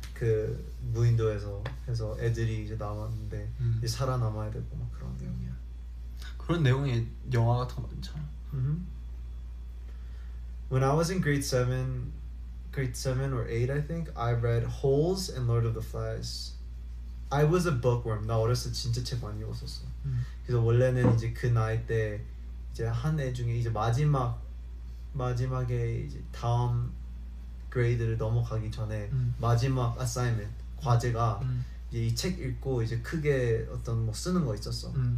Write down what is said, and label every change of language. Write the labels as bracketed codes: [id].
[ko] 그 무인도에서 해서 애들이 이제 나왔는데 이제 살아남아야 되고 막 그런 내용이야. 그런 내용의 영화 같은 거 많잖아. [en] When I was in grade 7 or 8 I think I read Holes and Lord of the Flies. I was a bookworm. [ko] 나 어렸을 때 진짜 책 많이 읽었었어. 그래서 원래는 이제 그 나이 때 이제 한 애 중에 이제 마지막에 이제 다음 그레이드를 넘어가기 전에 마지막 assignment 과제가 이제 이 책 읽고 이제 크게 어떤 뭐 쓰는 거 있었어.